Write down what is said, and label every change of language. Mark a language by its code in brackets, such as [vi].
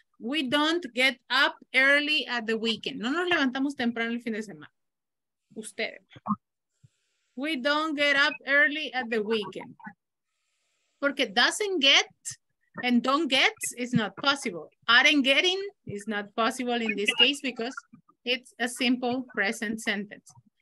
[en] We don't get up early at the weekend. [es] No nos levantamos temprano el fin de semana. Ustedes. [en] We don't get up early at the weekend. Porque doesn't get and don't get is not possible. Aren't getting is not possible in this case because it's a simple present sentence.